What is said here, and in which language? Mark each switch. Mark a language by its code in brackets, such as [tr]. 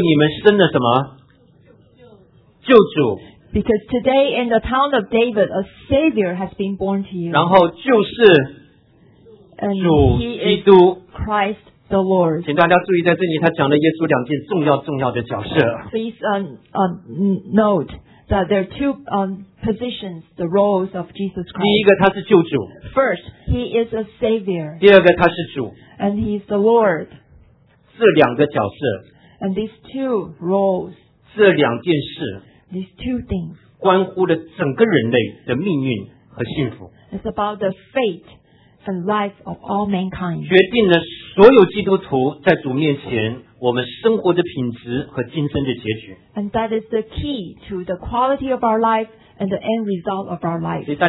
[zh] 而因为今天在大卫的城里为你们生了什么？救主。 [en] Because today in the town of David, a Savior has been born to you. [zh] 然后就是 [en] And he is Christ the Lord. [zh] 请大家注意在这里他讲了耶稣两件重要重要的角色。 [en] Please note that there are two positions, the roles of Jesus Christ. [zh] 第一个他是救主, [en] first, he is a savior. [zh] 第二个他是主, [en] and he is the Lord. [zh] 这两个角色, [en] and these two roles, [zh] 这两件事, [en] these two things, [zh] 关乎了整个人类的命运和幸福, [en] it's about the fate and life of all mankind. [zh] 决定了所有基督徒在主面前, 我们生活的品质和今生的结局, [en] and that is the key to the quality of our life and the end result of our life.